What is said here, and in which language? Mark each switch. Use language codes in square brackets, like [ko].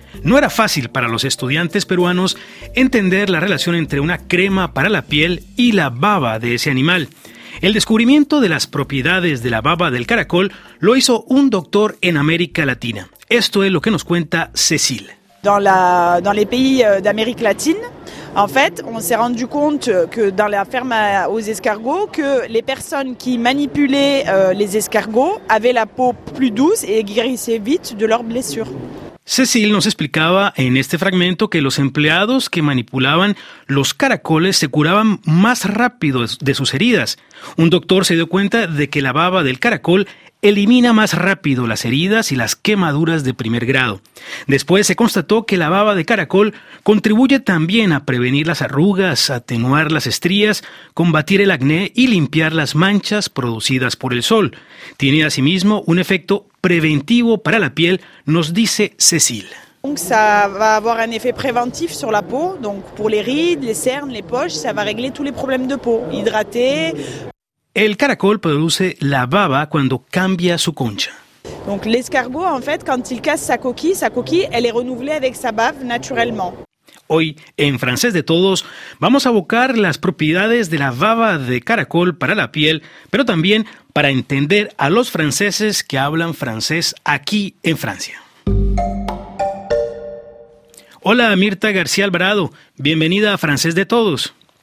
[es] No era fácil para los estudiantes peruanos entender la relación entre una crema para la piel y la baba de ese animal. El descubrimiento de las propiedades de la baba del caracol lo hizo un doctor en América Latina. Esto es lo que nos cuenta Cecil. [fr] Dans les pays d'Amérique latine, en fait, on s'est rendu compte que dans la ferme aux escargots, que les personnes qui manipulaient les escargots avaient la peau plus douce et guérissaient vite de leurs blessures. [es] Cecil nos explicaba en este fragmento que los empleados que manipulaban los caracoles se curaban más rápido de sus heridas. Un doctor se dio cuenta de que la baba del caracol elimina más rápido las heridas y las quemaduras de primer grado. Después se constató que la baba de caracol contribuye también a prevenir las arrugas, atenuar las estrías, combatir el acné y limpiar las manchas producidas por el sol. Tiene asimismo un efecto preventivo para la piel, nos dice Cecil. [fr] Donc ça va avoir un effet préventif sur la peau, donc pour les rides, les cernes, les poches, ça va régler tous les problèmes de peau, hydrater. [es] El caracol produce la baba cuando cambia su concha. [fr] Donc l'escargot, en fait, quand il casse sa coquille, elle est renouvelée avec sa bave naturellement. [es] Hoy, en Francés de Todos, vamos a abocar las propiedades de la baba de caracol para la piel, pero también para entender a los franceses que hablan francés aquí en Francia. Hola, Mirta García Alvarado. Bienvenida a Francés de Todos.